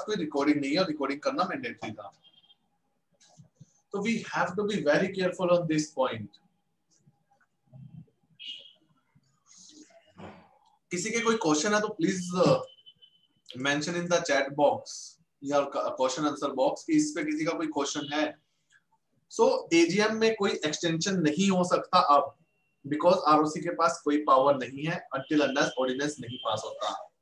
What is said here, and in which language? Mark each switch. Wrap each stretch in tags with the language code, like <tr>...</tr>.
<hi>तो आपके पास कोई रिकॉर्डिंग नहीं है और रिकॉर्डिंग करना मैंडेटरी था.</hi> <en>So we have to be very careful on this point.</en> <hi>किसी के कोई क्वेश्चन है तो</hi> <en>please mention in the chat box</en> <hi>या क्वेश्चन आंसर बॉक्स कि इस पे किसी का कोई क्वेश्चन है. सो एजीएम में कोई एक्सटेंशन नहीं हो सकता अब बिकॉज आरओसी के पास कोई पावर नहीं है अंटिल अनलेस ऑर्डिनेंस नहीं पास होता.</hi>